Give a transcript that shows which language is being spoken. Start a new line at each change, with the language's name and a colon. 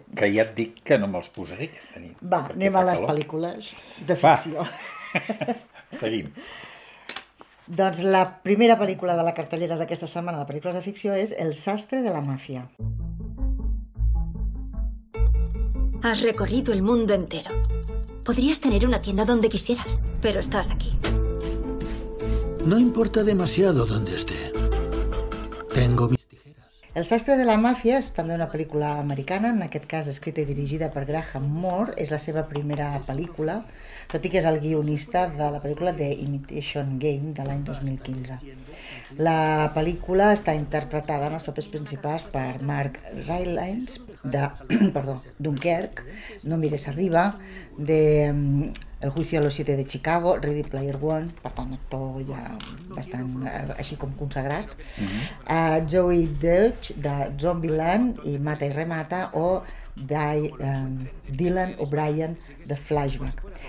Catalan: Que ja et dic que no me'ls posaré aquesta nit. Va, anem a les pel·lícules de ficció. Seguim. Doncs la primera pel·lícula de la cartellera d'aquesta setmana de pel·lícules de ficció és El sastre de la màfia.
Spanish: Has recorrido el mundo entero. Podrías tener una tienda donde quisieras, pero estás aquí. No importa demasiado dónde esté. Tengo mis tijeras.
Catalan: El sastre de la màfia és també una pel·lícula americana, en aquest cas escrita i dirigida per Graham Moore. És la seva primera pel·lícula, tot i que és el guionista de la pel·lícula The Imitation Game de l'any 2015. La pel·lícula està interpretada en els papers principals per Mark Rylance, de, perdó, Dunkerque, No mires arriba, de El juicio a los siete de Chicago, Ready Player One, per tant, actor ja bastant així com consagrat, Joey Deutsch, de Zombieland i Mata i remata, o Dylan O'Brien, de Flashback.